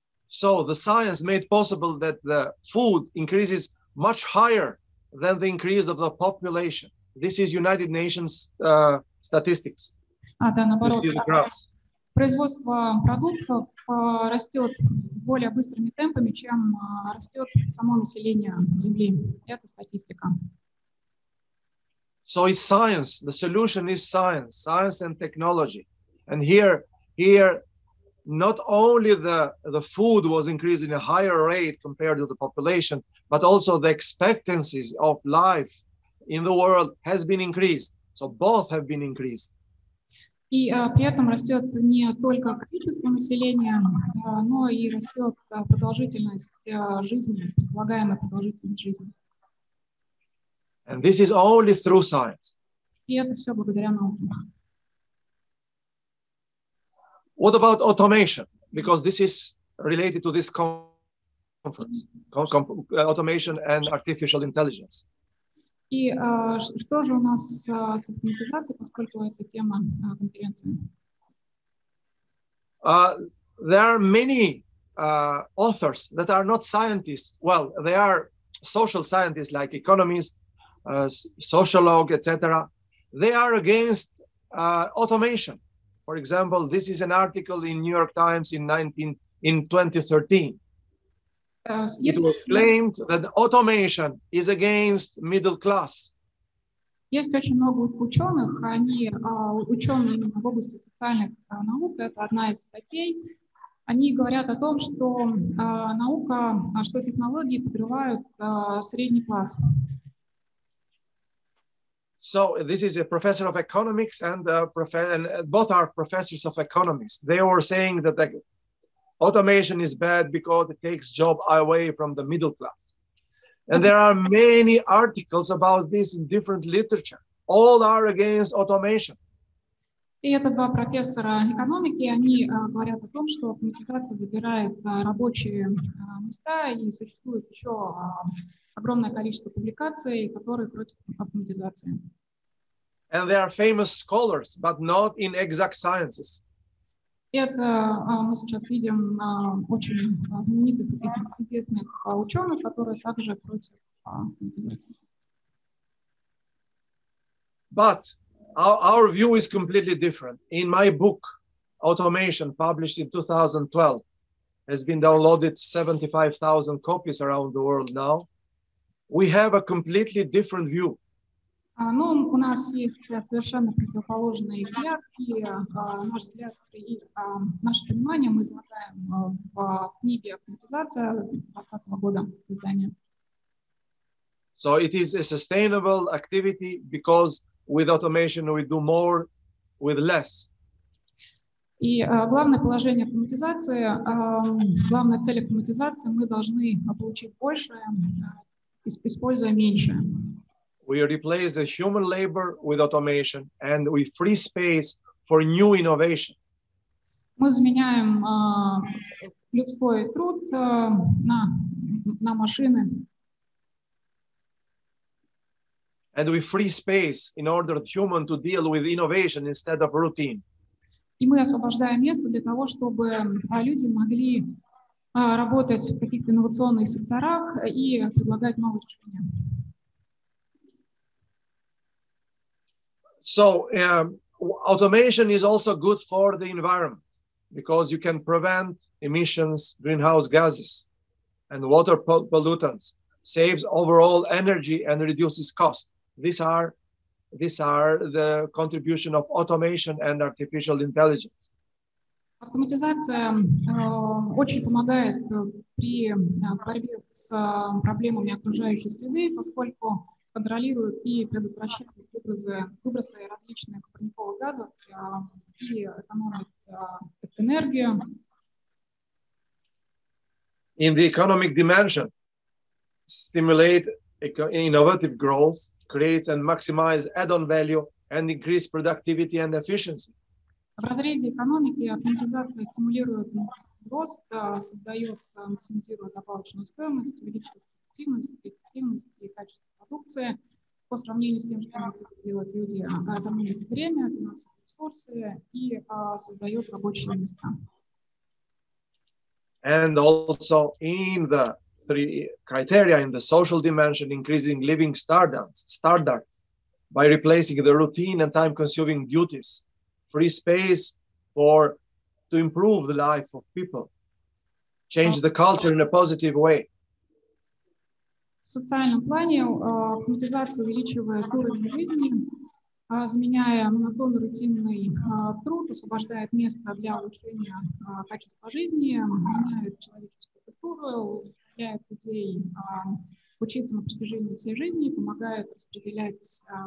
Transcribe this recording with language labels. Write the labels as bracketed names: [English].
[English] So the science made possible that the food increases much higher than the increase of the population. This is United Nations statistics. [Russian] Да, наоборот, производство продуктов растет более быстрыми темпами, чем растет само население Земли. Это статистика. [English] So it's science. The solution is science. Science and technology. And here, not only the food was increased in a higher rate compared to the population, but also the expectancies of life in the world has been increased. So both have been increased. [Russian] И при этом растет не только количество населения, но и растет продолжительность жизни, предполагаемая продолжительность жизни. [English] And this is only through science. [Russian] И это все благодаря науке. [English] What about automation? Because this is related to this conference, automation and artificial intelligence. [Russian] И что же у нас с автоматизацией, поскольку это тема конференции? [English] There are many authors that are not scientists. Well, they are social scientists, like economists, sociologists, etc. They are against automation. For example, this is an article in New York Times in 2013. It was claimed that automation is against middle class. [Russian] Есть очень много ученых, они ученые именно в области социальных наук. Это одна из статей. Они говорят о том, что наука, что технологии подрывают средний класс. [English] So this is a professor of economics and both are professors of economics. They were saying that automation is bad because it takes job away from the middle class. And there are many articles about this in different literature. All are against automation. [Russian] И это два профессора экономики, они говорят о том, что автоматизация забирает рабочие места, и существует еще огромное количество публикаций, которые против автоматизации. [English] And they are famous scholars, but not in exact sciences. [Russian] Это мы сейчас видим очень знаменитых и известных ученых, которые также против автоматизации. [English] But our view is completely different. In my book, Automation, published in 2012, has been downloaded 75,000 copies around the world now. We have a completely different view. [Russian] Ну, у нас есть совершенно противоположный взгляд, и наш взгляд и наше понимание мы излагаем в книге «Автоматизация» 2020 года издания. [English] So it is a sustainable activity because with automation we do more with less. [Russian] И главное положение автоматизации, главная цель автоматизации, мы должны получить больше, используя меньше. [English] We replace the human labor with automation and we free space for new innovation. [Russian] Мы заменяем людской труд на машины. [English] And we free space in order for human to deal with innovation instead of routine. [Russian] И мы освобождаем место для того, чтобы люди могли работать в каких-то инновационных секторах и предлагать новые решения. [English] So, automation is also good for the environment because you can prevent emissions, greenhouse gases, and water pollutants, saves overall energy and reduces cost. These are the contribution of automation and artificial intelligence. [Russian] Автоматизация очень помогает при борьбе с проблемами окружающей среды, поскольку контролирует и предотвращает выбросы различных парниковых газов и экономит энергию. [English] in the economic dimension, stimulate innovative growth, create and maximize add-on value, and increase productivity and efficiency. [Russian] В разрезе экономики автоматизация стимулирует рост, создает максимизирует добавочную стоимость, увеличивает эффективность, эффективность и качество продукции по сравнению с тем, что могут делать люди. Экономит время, финансовые ресурсы и создает рабочие места. [English] And also in the three criteria in the social dimension, increasing living standards by replacing the routine and time-consuming duties. Free space for to improve the life of people, change the culture in a positive way. [Russian] В социальном плане автоматизация увеличивает уровень жизни, заменяя монотонный рутинный труд, освобождает место для улучшения качества жизни, меняет человеческую культуру, заставляет людей учиться на протяжении всей жизни, помогает распределять